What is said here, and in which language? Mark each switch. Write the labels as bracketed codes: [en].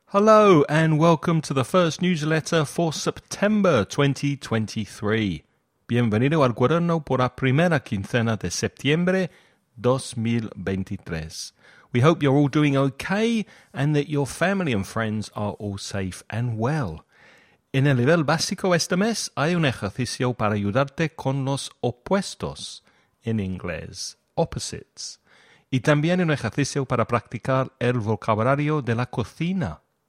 [en] Hello and welcome to the first newsletter for September 2023. [es] Bienvenido al cuaderno por la primera quincena de septiembre 2023. [en] We hope you're all doing okay and that your family and friends are all safe and well. [es] En el nivel básico este mes hay un ejercicio para ayudarte con los opuestos en inglés, opposites. Y también un ejercicio para practicar el vocabulario de la cocina.